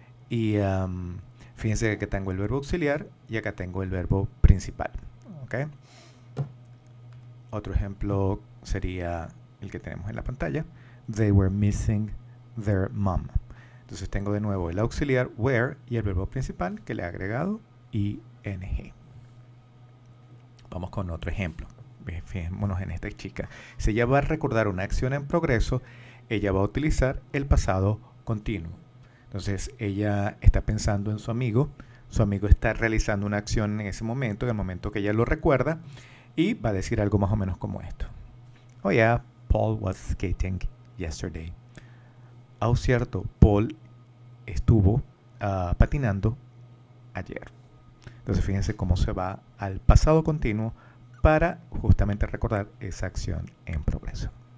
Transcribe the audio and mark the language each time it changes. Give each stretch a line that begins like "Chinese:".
Spanish: Y fíjense que tengo el verbo auxiliar y acá tengo el verbo principal. Okay. Otro ejemplo sería el que tenemos en la pantalla.
English: They were missing their mom.
Spanish: Entonces tengo de nuevo el auxiliar were y el verbo principal que le he agregado ing. Vamos con otro ejemplo. Fijémonos en esta chica. Si ella va a recordar una acción en progreso, ella va a utilizar el pasado continuo. Entonces, ella está pensando en su amigo. Su amigo está realizando una acción en ese momento, en el momento que ella lo recuerda, y va a decir algo más o menos como esto.
English: Oh, yeah, Paul was skating yesterday.
Spanish: Oh, cierto, Paul estuvo patinando ayer. Entonces, fíjense cómo se va al pasado continuo para justamente recordar esa acción en progreso.